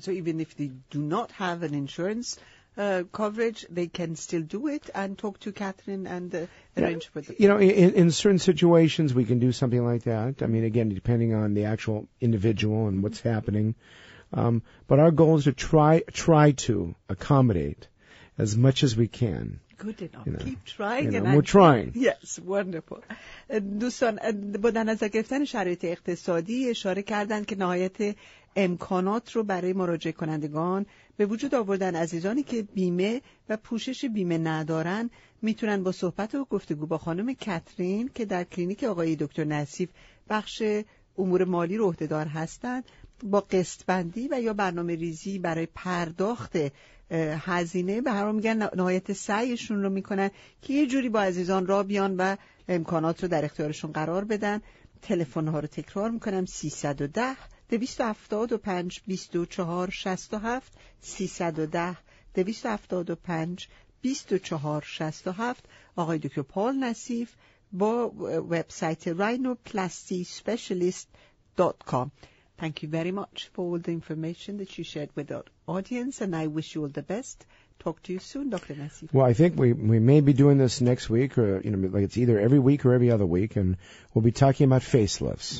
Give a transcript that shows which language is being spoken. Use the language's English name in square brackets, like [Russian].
[English] So even if they do not have an insurance coverage, they can still do it and talk to Catherine and arrange for the... You know, in certain situations, we can do something like that. I mean, again, depending on the actual individual and what's happening. But our goal is to try to accommodate as much as we can. Good enough. You know, keep trying. You know, and we're trying. Yes, wonderful. [Persian] دوستان با در نظر گرفتن شرایط اقتصادی اشاره کردند که نهایت امکانات رو برای مراجعه کنندگان به وجود آوردن. عزیزانی که بیمه و پوشش بیمه ندارن میتونن با صحبت و گفتگو با خانم کاترین که در کلینیک آقای دکتر نصیف بخش امور مالی رو عهده‌دار هستند با قسط بندی و یا برنامه ریزی برای پرداخت هزینه به هر حال میگن نهایت سعیشون رو میکنن که یه جوری با عزیزان را بیان و امکانات رو در اختیارشون قرار بدن. تلفن ها رو تکرار میکنم: 310-275-2467 310-275-2467. آقای دکتر پال نصیف با وبسایت rhinoplastyspecialist.com. [English] Thank you very much for all the information that you shared with our audience, and I wish you all the best. Talk to you soon, Dr. Nassif. Well, I think we may be doing this next week, or, you know, like it's either every week or every other week, and we'll be talking about facelifts.